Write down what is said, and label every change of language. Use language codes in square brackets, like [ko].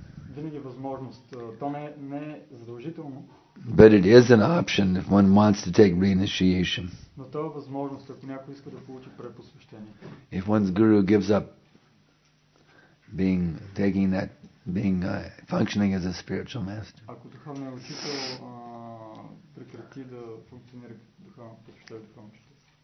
[bg] Винаги е възможност. То не е задължително. [en] But it is an option if one wants to take reinitiation. [bg] Но това е възможност, ако някой иска да получи препосвещение. [en] If one's guru gives up being taking that being functioning as a spiritual master. [bg] Ако духовният учител прекрати да функционира като духовен посвещател, духовен учител.